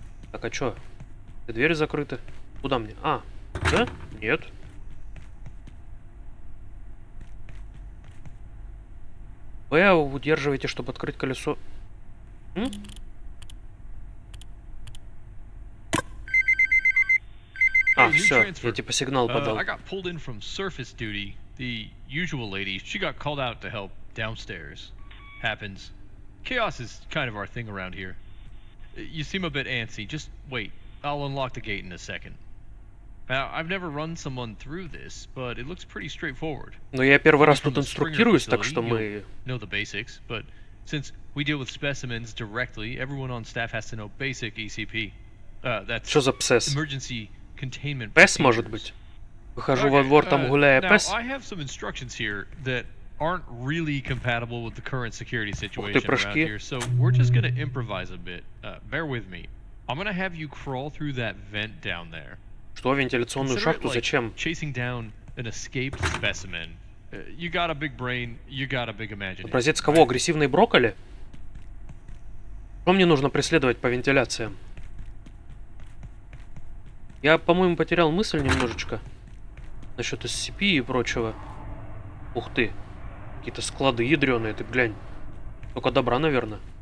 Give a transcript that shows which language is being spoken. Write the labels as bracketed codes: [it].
[ru] Так, а что? Двери закрыты. Куда мне? А, да? Нет. Б, удерживайте, чтобы открыть колесо. М? А, все, я типа сигнал подал. [en] I got pulled in from surface duty. The usual lady, she got called out to help downstairs. Happens. Chaos is kind of our thing around here. You seem a bit antsy. Just wait. I'll unlock the gate in a second. Now, I've never run someone through this, but it looks pretty straightforward. [ru] Но я первый раз тут инструктируюсь, так что мы... [en] Know the basics, but since we deal with specimens directly, everyone on staff has to know basic ECP. [ru] Что за псес? [en] Emergency containment procedures. [ru] Пес, может быть? Выхожу во двор, там гуляя пес? [en] Now, I have some instructions here that aren't really compatible with the current security situation around here, so we're just gonna improvise a bit. Bear with me. I'm gonna have you crawl through that vent down there. [ru] Что, вентиляционную шахту? Зачем? [en] Chasing down an escaped specimen. You got a big brain, you got a big imagination. [ru] Образец кого? Агрессивный брокколи? Что мне нужно преследовать по вентиляциям? Я, по-моему, потерял мысль немножечко. Насчет SCP и прочего. Ух ты. Какие-то склады ядреные, ты глянь. Только добра, наверное.